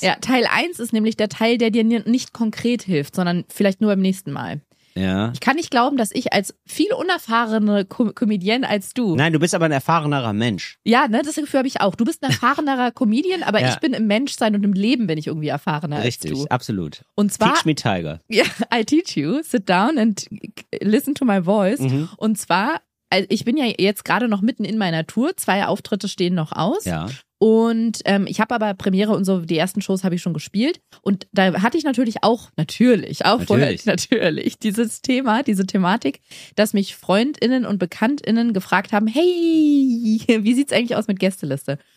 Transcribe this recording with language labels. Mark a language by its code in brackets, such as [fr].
[de] Ja, Teil 1 ist nämlich der Teil, der dir nicht konkret hilft, sondern vielleicht nur beim nächsten Mal. Ja. Ich kann nicht glauben, dass ich als viel unerfahrener Comedian als du. Nein, du bist aber ein erfahrenerer Mensch. Ja, ne, das Gefühl habe ich auch. Du bist ein erfahrenerer Comedian, aber ja. Ich bin im Menschsein und im Leben bin ich irgendwie erfahrener Richtig, als du. Richtig, absolut. Und zwar, [en] teach me, Tiger. Yeah, I teach you. Sit down and listen to my voice. Mhm. [de] Und zwar, ich bin ja jetzt gerade noch mitten in meiner Tour. 2 Auftritte stehen noch aus. Ja. Und ich habe aber Premiere und so, die ersten Shows habe ich schon gespielt. Und da hatte ich natürlich dieses Thema, diese Thematik, dass mich FreundInnen und BekanntInnen gefragt haben, hey, wie sieht's eigentlich aus mit Gästeliste?